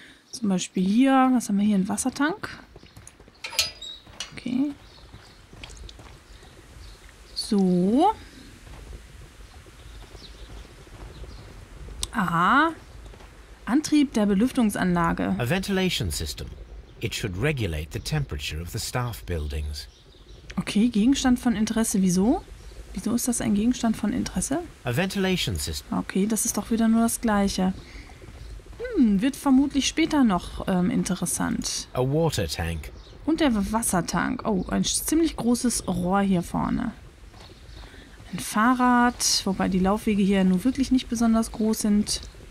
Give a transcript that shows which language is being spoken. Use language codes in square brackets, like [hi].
[de] Zum Beispiel hier, was haben wir hier, ein Wassertank. Okay. So. Aha. Antrieb der Belüftungsanlage. [en] A ventilation system. It should regulate the temperature of the staff buildings. [de] Okay, Gegenstand von Interesse. Wieso? Wieso ist das ein Gegenstand von Interesse? [en] A ventilation system. [de] Okay, das ist doch wieder nur das Gleiche. Hm, wird vermutlich später noch interessant. [en] A water tank. [de] Und der Wassertank. Oh, ein ziemlich großes Rohr hier vorne. Ein Fahrrad, wobei die Laufwege hier nun wirklich nicht besonders groß sind.